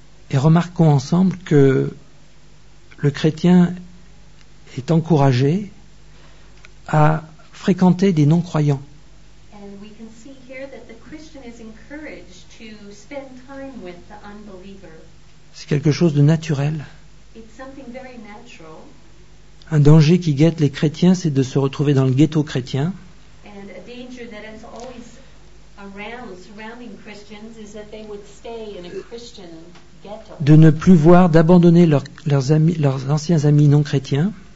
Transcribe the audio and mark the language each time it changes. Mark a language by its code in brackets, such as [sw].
[fr] Et remarquons ensemble que le chrétien est encouragé à fréquenter des non-croyants. [en] And we can see here that the Christian is encouraged to spend time with the unbeliever. [fr] C'est quelque chose de naturel. [en] It's something very natural. [fr] Un danger qui guette les chrétiens, c'est de se retrouver dans le ghetto chrétien. [en] And a danger that is always around surrounding Christians is that they would stay in a Christian ghetto. [fr] De ne plus voir, d'abandonner leurs anciens amis non-chrétiens.